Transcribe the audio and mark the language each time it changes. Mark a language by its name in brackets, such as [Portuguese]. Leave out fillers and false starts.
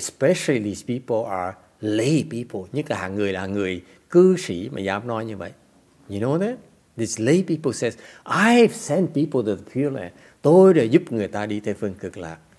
[English] Especially these people are lay people. [Vietnamese] Nhất là hạng người là người cư sĩ mà dám nói như vậy. [English] You know that? These lay people says, I've sent people to the Pure Land. [Vietnamese] Tôi đã giúp người ta đi theo phương cực lạc.